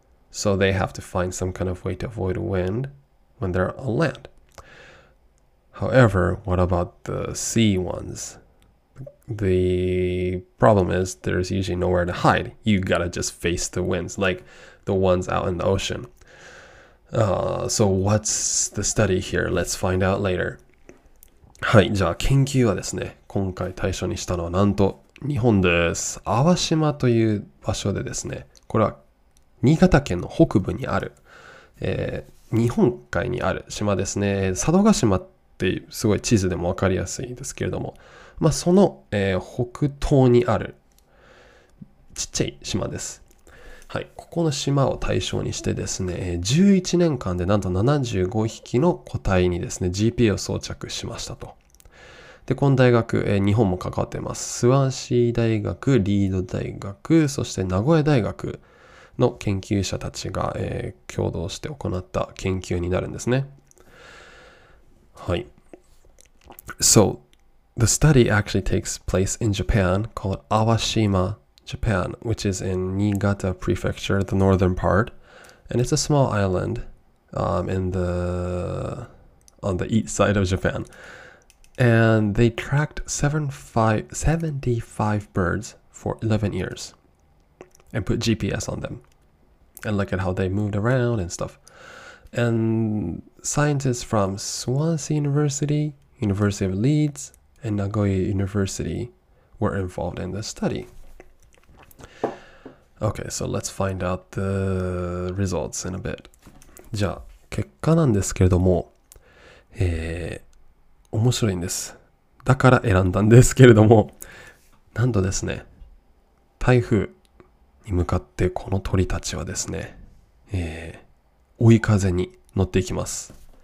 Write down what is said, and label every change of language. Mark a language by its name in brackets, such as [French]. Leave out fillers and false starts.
[English] So they have to find some kind of way to avoid wind when they're on land. However, what about the sea ones? The problem is there's usually nowhere to hide. You gotta just face the winds, like the ones out in the ocean. So what's the study here? Let's find out later. [Japanese] はい、じゃあ研究はですね、今回対象にしたのはなんと日本です。粟島という場所でですね、これは新潟県の北部にある、日本海にある島ですね。佐渡島ってすごい地図でもわかりやすいですけれども、まあ、その、北東にあるちっちゃい島です。はい、ここの島を対象にしてですね、11年間でなんと75匹の個体にですね、GPS を装着しましたと。で、この大学、日本も関わってます。スワンシー大学、リード大学、そして名古屋大学の研究者たちが、共同して行った研究になるんですね。はい。 [English] So,The study actually takes place in Japan, called Awashima, Japan, which is in Niigata Prefecture, the northern part, and it's a small island on the east side of Japan. And they tracked 75 birds for 11 years and put GPS on them and look at how they moved around and stuff. And scientists from Swansea University, University of Leeds, and Nagoya University were involved in the study. Okay, so let's find out the results in a bit. [Japanese] じゃあ結果なんですけれども、面白いんです。だから選んだんですけれども、なんとですね、台風に向かってこの鳥たちはですね、追い風に乗っていきます。